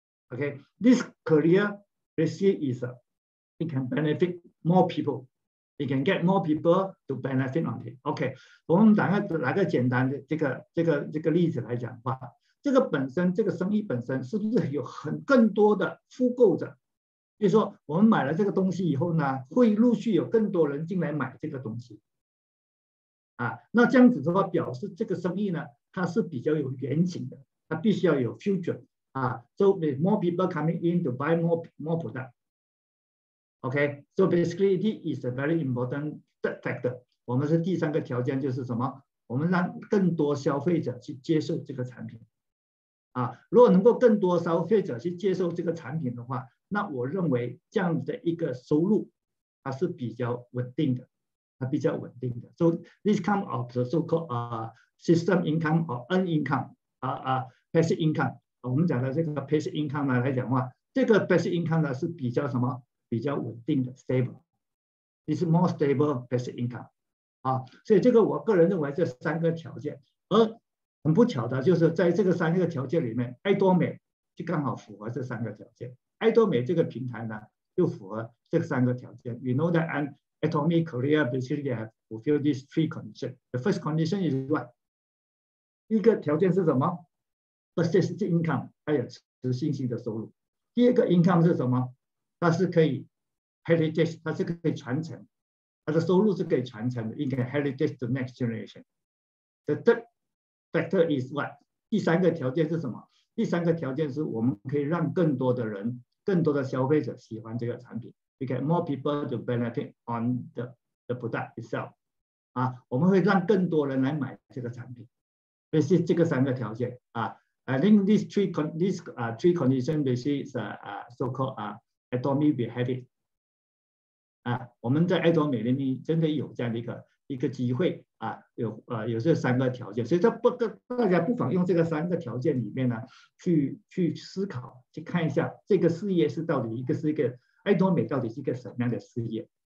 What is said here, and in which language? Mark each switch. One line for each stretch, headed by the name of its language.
English: Okay, this career basically is it can benefit more people. It can get more people to benefit on it.
Chinese: OK, 我们拿个简单的这个例子来讲吧。这个本身，这个生意本身是不是有很更多的复购者？比如说我们买了这个东西以后呢，会陆续有更多人进来买这个东西。那这样子的话表示这个生意呢，它是比较有远景的，它必须要有 future。
English: So with more people coming in to buy more product. Okay, so basically, this is a very important factor.
Chinese: 我们是第三个条件，就是什么？我们让更多消费者去接受这个产品。如果能够更多消费者去接受这个产品的话，那我认为这样的一个收入，它是比较稳定的，它比较稳定的。
English: So this comes of the so-called system income or earned income, passive income.
Chinese: 我们讲的这个 passive income 来讲的话，这个 passive income 呢是比较什么？比较稳定的 stable， this is more stable passive income，所以这个我个人认为这三个条件，而很不巧的就是在这个三个条件里面，爱多美就刚好符合这三个条件。爱多美这个平台呢，就符合这三个条件。
English: You know that an atomic career basically have fulfilled these three conditions.
Chinese: The first condition is what? 一个条件是什么 ？Persistent income， 还有持续性的收入。第二个 income 是什么？它是可以 heritage， 它是可以传承，它的收入是可以传承的，应该 heritage to next generation。
English: The third factor is what？第三个条件是什么？
Chinese: 第三个条件是我们可以让更多的人、更多的消费者喜欢这个产品。
English: We get more people to benefit on the product itself。
Chinese: 我们会让更多人来买这个产品。
English: 这是这个三个条件啊。 I think these three conditions basically is so called Atomy we have it. 我们在爱多美里面真的有这样的一个
Chinese: 一个机会啊，有这三个条件，所以这不大家不妨用这个三个条件里面呢，去思考，去看一下这个事业是到底一个爱多美到底是一个什么样的事业。